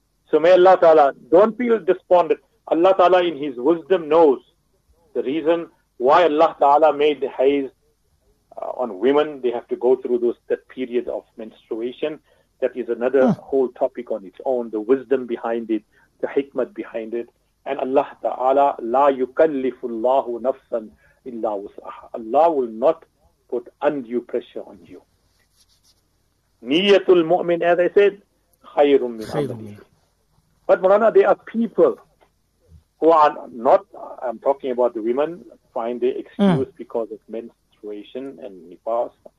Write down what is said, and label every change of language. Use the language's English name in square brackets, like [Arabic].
[English] So may Allah Ta'ala, don't feel despondent. Allah Ta'ala in His wisdom knows the reason why Allah Ta'ala made the haiz on women. They have to go through that period of menstruation. That is another whole topic on its own, the wisdom behind it, the hikmat behind it. And Allah Ta'ala, [Arabic] لا يكلف الله نفسا إلا وسعها. [English] Allah will not put undue pressure on you. [Arabic] Niyatul mu'min, [English] as I said, [Arabic] khayrun min amali. [English] But Marana, there are people who are not, I'm talking about the women, find their excuse because of menstruation and nifas.